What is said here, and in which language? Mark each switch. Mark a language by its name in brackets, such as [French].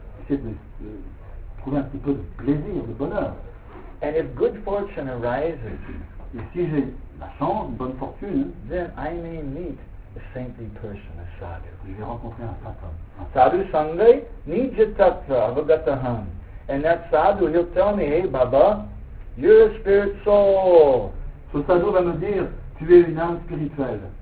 [French] J'essaie de trouver un petit peu de plaisir, de bonheur. [English] And if good fortune arises, [French] et si j'ai la chance, une bonne fortune, [English] then I may meet a saintly person, a sadhu. [French] Je vais rencontrer un sadhu. [Sanskrit] Sadhu sangai nija tattva avagataham. [English] And that sadhu, he'll tell me, hey Baba, you're a spirit soul. [French] Ce sadhu va me dire, tu es une âme spirituelle.